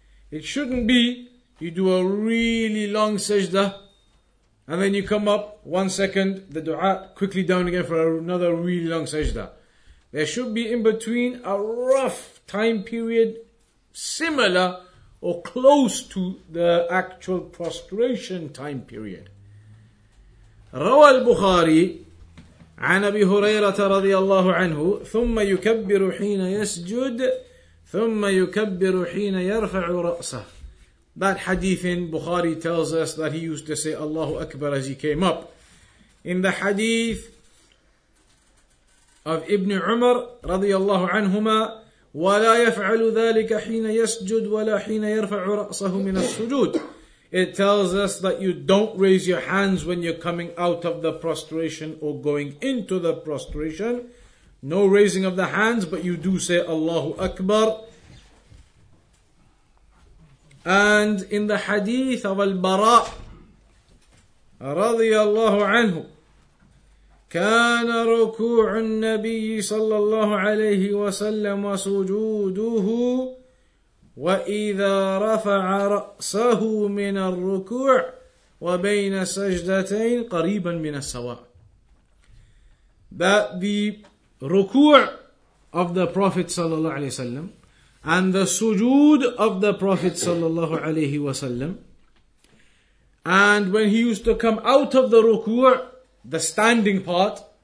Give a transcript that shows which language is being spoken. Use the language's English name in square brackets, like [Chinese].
[English] It shouldn't be you do a really long sajda and then you come up 1 second, the dua, quickly down again for another really long sajda. There should be in between a rough time period similar or close to the actual prostration time period. [Arabic] روى البخاري عن أبي هريرة رضي الله عنه ثم يكبر حين يسجد ثم يكبر حين يرفع رأسه. [English] That hadith in Bukhari tells us that he used to say Allahu Akbar as he came up. In the hadith of Ibn Umar radiyallahu anhuma, [Arabic] وَلَا يَفْعَلُ ذَلِكَ حِينَ يَسْجُدُ وَلَا حِينَ يَرْفَعُ رَأْسَهُ مِنَ السُّجُودِ. [English] It tells us that you don't raise your hands when you're coming out of the prostration or going into the prostration. No raising of the hands, but you do say Allahu Akbar. And in the hadith of Al-Bara radiyallahu anhu, [Arabic] كان ركوع النبي صلى الله عليه وسلم وسجوده وإذا رفع رأسه من الركوع وبين سجدتين قريبا من السواء. [English] That the ركوع of the Prophet صلى الله عليه وسلم and the sujood of the Prophet صلى الله عليه وسلم, and when he used to come out of the ركوع, the standing part,